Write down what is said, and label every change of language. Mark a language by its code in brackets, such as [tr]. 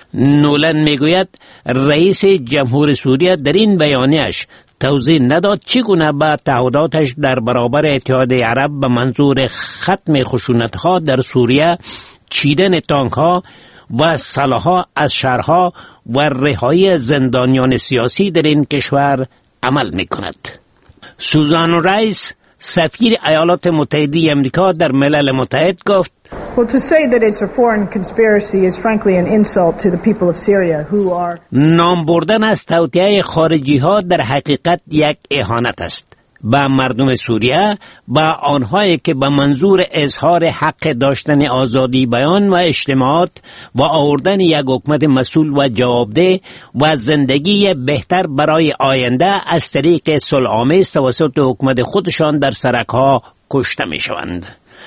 [fa] نولن میگوید رئیس جمهور سوریه در این بیانیه‌اش توضیح نداد چگونه با تعهداتش در برابر اتحاد عرب به منظور ختم خشونتها در سوریه، چیدن تانک ها و سلاح ها از شهرها و رهایی زندانیان سیاسی در این کشور عمل میکند. سوزان رایس سفیر ایالات متحده امریکا در ملل متحد گفت [en] Well, to say that it's a foreign conspiracy is frankly an insult to the people of Syria who are [fa] نام بردن از توطئه خارجی ها در حقیقت یک اهانت است با مردم سوریه، با آنهایی که به منظور اظهار حق داشتن آزادی بیان و اجتماعات و آوردن یک حکومت مسئول و جوابده و زندگی بهتر برای آینده از طریق صلح‌آمیز توسط حکومت خودشان در سرک ها کشته می شوند.